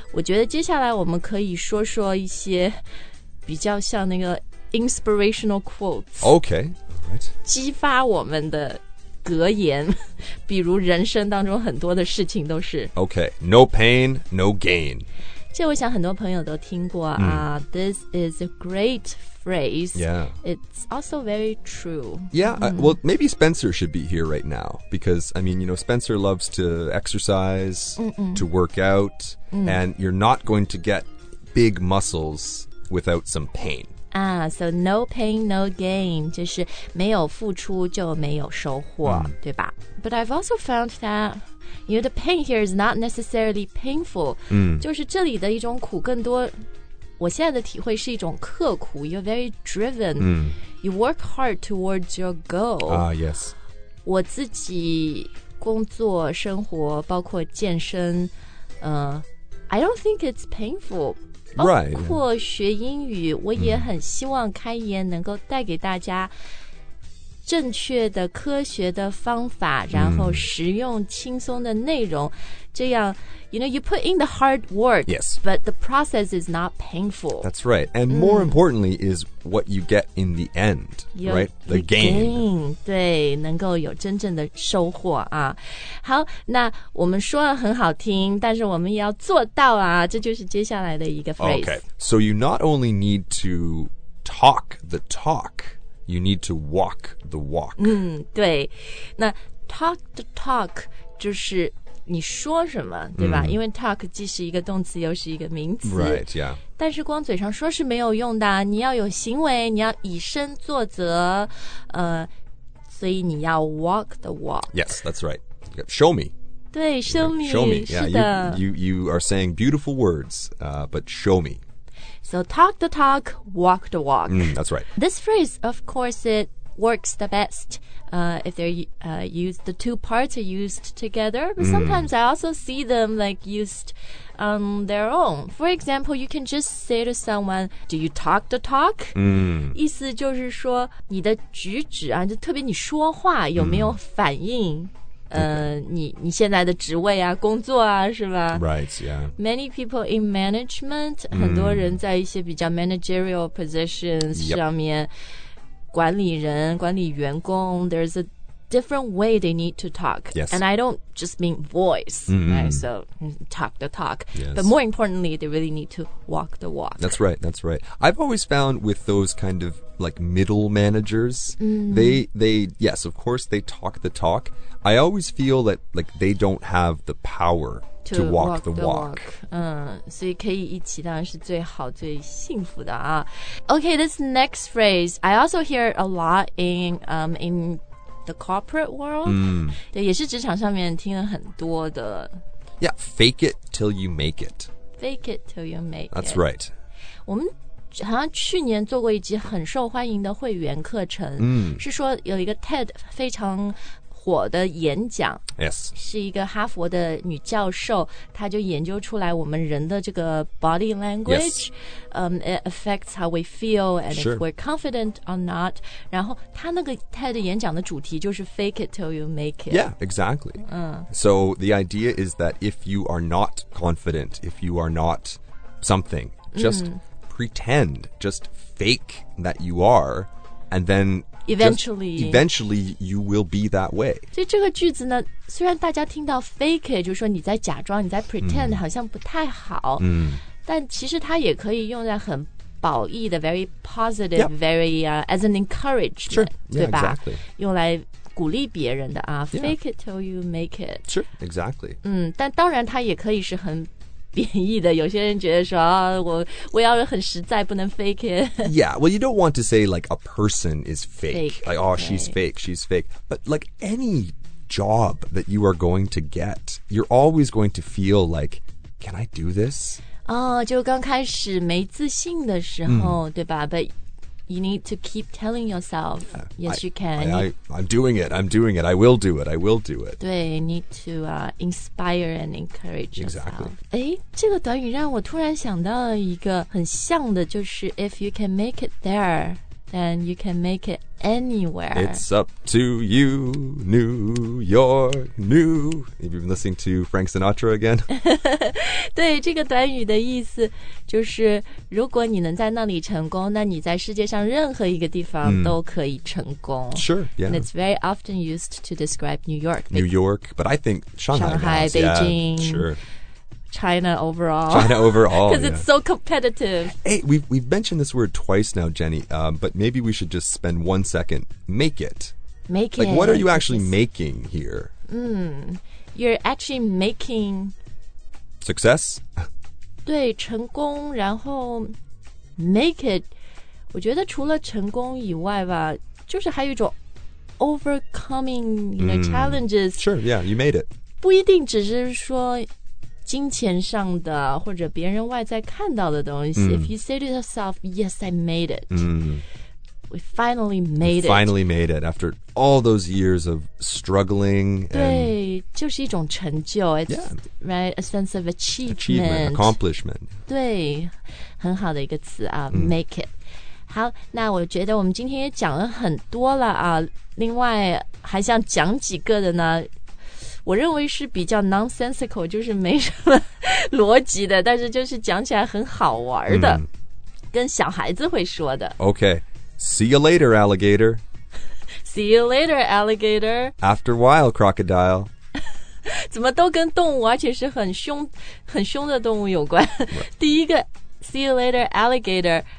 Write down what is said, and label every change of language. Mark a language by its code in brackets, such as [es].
[zh] 我觉得接下来我们可以说说一些比较像那个 [en] inspirational quotes okay. Right. [zh] 激发我们的格言比如人生当中很多的事情都是 [en] okay. No pain, no gain [zh] 这我想很多朋友都听过啊、 [en] This is a great phrase. Yeah. It's also very true. Yeah,、well, maybe Spencer should be here right now. Because, I mean, you know, Spencer loves to exercise,、to work out,、and you're not going to get big muscles without some pain. So no pain, no gain, [zh] 就是没有付出就没有收获、对吧 [en] But I've also found that, you know, the pain here is not necessarily painful.、 [zh] 就是这里的一种苦更多我现在的体会是一种刻苦 [en] You're very driven.、You work hard towards your goal. Yes. [zh] 我自己工作生活包括健身、 [en] I don't think it's painful. Right. [zh] 包括学英语、我也很希望开言能够带给大家正确的科学的方法、然后实用轻松的内容。这样 [en] you know, you put in the hard work, yes. but the process is not painful. That's right. And more importantly is what you get in the end, right? The gain. [zh] 对，能够有真正的收获啊。好，那我们说了很好听，但是我们也要做到啊，这就是接下来的一个 phrase. [en] Okay, so you not only need to talk the talk, you need to walk the walk. [zh] 对，那 [en] talk the talk [zh] 就是你说什么对吧、因为 talk 既是一个动词又是一个名词 [en] right, yeah. [zh] 但是光嘴上说是没有用的你要有行为你要以身作则、所以你要 [en] walk the walk Yes, that's right Show me [zh] 对 [en] show me Show me yeah, [zh] 是的 [en] you are saying beautiful words、but show me So talk the talk, walk the walk、 That's right This phrase, of course, it works the bestIf they're、used, the two parts are used together. But sometimes I also see them like used on their own. For example, you can just say to someone, do you talk the talk?、 [zh] 意思就是说你的举止啊就特别你说话有没有反应、你现在的职位啊工作啊是吧 [en] Right, yeah. Many people in management,、 [zh] 很多人在一些比较 [en] managerial positions、 [zh] 上面管理人管理员工 [en] there's a different way they need to talk、 yes. and I don't just mean voice、right? so talk the talk、 yes. but more importantly they really need to walk the walk that's right I've always found with those kind of like middle managers、they yes of course they talk the talk I always feel that like they don't have the powerTo walk the walk. [zh] 所以可以一起当然是最好最幸福的啊。 [en] Okay, this next phrase, I also hear a lot in the corporate world.、 [zh] 对，也是职场上面听了很多的。 [en] Yeah, fake it till you make it. Fake it till you make it. That's right. [zh] 我们好像去年做过一集很受欢迎的会员课程、是说有一个 TED 非常火的演讲、 [en] yes. [zh] 是一个哈佛的女教授她就研究出来我们人的这个 body language、 [en] yes. It affects how we feel and、 sure. if we're confident or not [zh] 然后她那个 [en] TED [zh] 演讲的主题就是 [en] fake it till you make it Yeah, exactly、So the idea is that if you are not confident if you are not something just、pretend just fake that you are and thenEventually, you will be that way. [zh] 所以这个句子呢，虽然大家听到 [en] fake it， [zh] 就是说你在假装，你在 pretend，好像不太好。但其实它也可以用在很褒义的 [en] very positive， yep. very、as an encouragement， sure. yeah, [zh] 对吧？ [en] Exactly. [zh] 用来鼓励别人的啊、 [en] yeah. ，fake it till you make it。 Sure, exactly. [zh] 但当然它也可以是很。贬义的，有些人觉得说、我要很实在，不能 [en] fake it. Yeah, well, you don't want to say like a person is fake. Like, oh, she's fake, she's fake. But like any job that you are going to get, you're always going to feel like, can I do this? [zh] Oh, 就刚开始没自信的时候，对吧？ [en] But you need to keep telling yourself, yes, you can. I'm doing it. I will do it. 对 need to、inspire and encourage yourself. Exactly. [zh] 诶这个短语让我突然想到一个很像的就是 [en] if you can make it there, then you can make it anywhere. It's up to you, New York, New. Have you been listening to Frank Sinatra again? [zh] 对这个短语的意思就是如果你能在那里成功那你在世界上任何一个地方都可以成功、 [en] Sure, yeah. And it's very often used to describe New York. New York, but I think Shanghai. Shanghai, Beijing. Yeah, sure. China overall. China overall, because it's so competitive. Hey, we've mentioned this word twice now, Jenny, but maybe we should just spend 1 second. Make it. Make it. Like, what are you actually making here? You're actually making... Success? [zh] 对，成功，然后 [en] make it. [zh] 我觉得除了成功以外吧，就是还有一种 [en] overcoming the challenges. Sure, yeah, you made it. [zh] 不一定只是说金钱上的或者别人外在看到的东西。 [en] If you say to yourself, yes, I made it. We finally made it. Finally made it after all those years of struggling. [zh] 对，就是一种成就。 [en] It's right, a sense of achievement. Accomplishment. [zh] 对，很好的一个词啊， [en] make it. [zh] 好，那我觉得我们今天也讲了很多了啊。另外还想讲几个的呢，我认为是比较 nonsensical， 就是没什么逻辑的，但是就是讲起来很好玩的，跟小孩子会说的。 [en] Okay. See you later, alligator. See you later, alligator. After a while, crocodile. [zh] 怎么都跟动物，而且是很凶、很凶的动物有关。第一个 ， [en] see you later, alligator.